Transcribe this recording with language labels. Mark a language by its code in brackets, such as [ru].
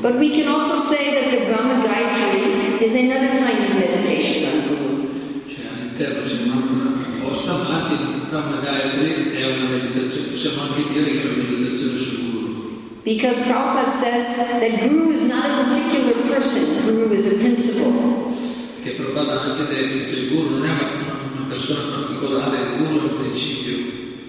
[en] But we can also say that the Brahma Gayatri is another kind of meditation on Guru. [it] Cioè all'interno c'è un mantra apposta, ma anche il Brahma Gayatri è una meditazione. Possiamo anche dire che è una meditazione sul Guru. [en] Because Prabhupada says that Guru is not a particular person, Guru is a principle. [it] Perché Prabhupada ha anche detto che il Guru non è una persona particolare, il Guru è un principio.